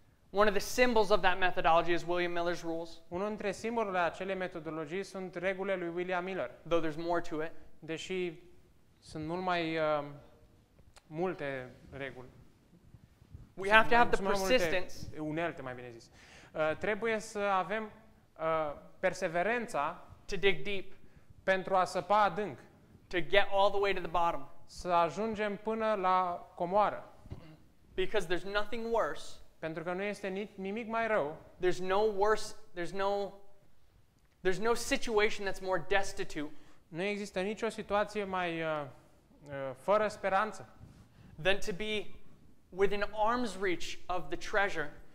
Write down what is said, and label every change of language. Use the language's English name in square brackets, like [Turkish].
[English] one of the symbols of that methodology is William Miller's rules. [Romanian] Unul dintre simbolurile acelei metodologii sunt regulile lui William Miller. [English] Though there's more to it. [Romanian] Deși sunt mult mai multe reguli. [English] We have to have the persistence. [Romanian] Unelte, mai bine zis. Trebuie să avem perseverența [English] to dig deep, [Romanian] pentru a săpa adânc, [English] to get all the way to the bottom, [Romanian] să ajungem până la comoară. [English] Because there's nothing worse. [Romanian] Pentru că nu este nimic mai rău. [English] There's no worse. There's no situation that's more destitute. [Romanian] Nu există nicio situație mai fără speranță [English] than to be within arm's reach of the treasure.